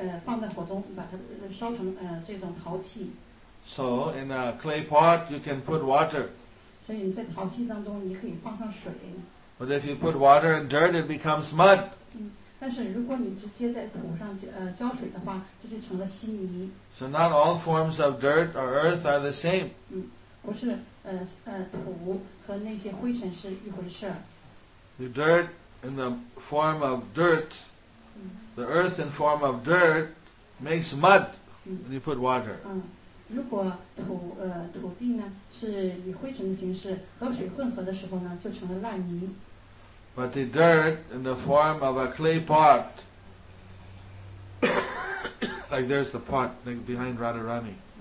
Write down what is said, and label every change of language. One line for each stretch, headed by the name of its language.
Chinese: 就像你在从土里面呢，你可以做成那个陶盘，陶罐，你可以放在火中把它烧成这种陶器。
English: So in a clay pot, you can put water.
Chinese: 所以你在陶器当中，你可以放上水。
English: But if you put water and dirt, it becomes mud.
Chinese: 但是如果你直接在土上浇水的话，这就成了稀泥。
English: So not all forms of dirt or earth are the same.
Chinese: 不是土和那些灰尘是一回事。The
English: dirt in the form of dirt, the earth in form of dirt makes mud when you put water.
Chinese: 如果土地呢是以灰尘的形式和水混合的时候呢，就成了烂泥。But
English: the dirt in the form of a clay pot, like there's the pot behind Radharani.